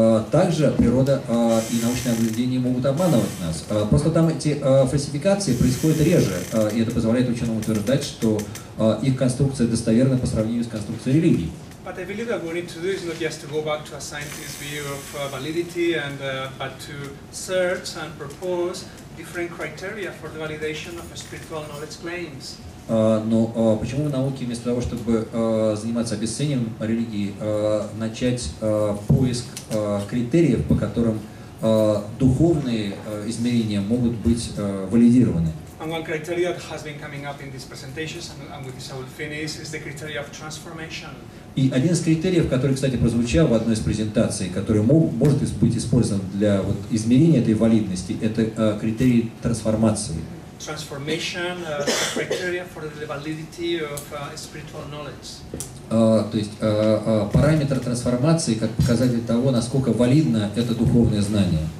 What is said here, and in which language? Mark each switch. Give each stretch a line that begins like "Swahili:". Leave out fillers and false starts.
Russian: Также природа и научное наблюдение могут обманывать нас. Просто там эти фальсификации происходят реже, и это позволяет ученым утверждать, что их конструкция достоверна по сравнению с конструкцией религии.
English: But I believe that what we need to do is not just to go back to a scientist's view of validity, and but to search and propose different criteria for the validation of spiritual knowledge claims.
Russian: Почему в науке вместо того, чтобы заниматься обесцениванием религии, начать поиск критериев, по которым духовные измерения могут быть валидированы?
English: And one criteria that has been coming up in these presentations, and with this I will finish, is the criteria of transformation.
Russian: И один из критериев, который, кстати, прозвучал в одной из презентаций, который может быть использован для вот, измерения этой валидности, это критерий трансформации.
English: Transformation is a criteria for the validity of spiritual knowledge.
Russian: То есть параметр трансформации как показатель того, насколько валидно это духовное знание.